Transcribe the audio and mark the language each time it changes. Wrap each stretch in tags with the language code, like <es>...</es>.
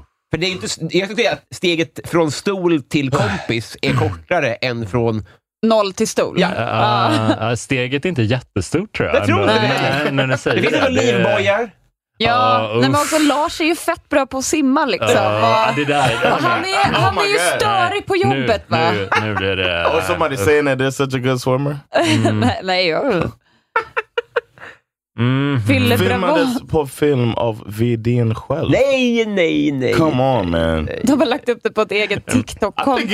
<sv>För det är inte, jag tycker att steget från stol till kompis är kortare än från... Noll till stol. Ja. Steget är inte jättestort, tror jag. Det tror jag inte. Det finns ju livbojar. Ja, men också Lars är ju fett bra på att simma liksom. Det där, han är ju störig på jobbet, va? Nu blir det...</sv> <en>Och somebody saying that they're such a good swimmer?</en> <sv>Nej, jag... Filmades på film av Vidin själv. Nej.</sv> <en>Come on, man.</en> <sv>De har lagt upp det på ett eget TikTok-konto.</sv>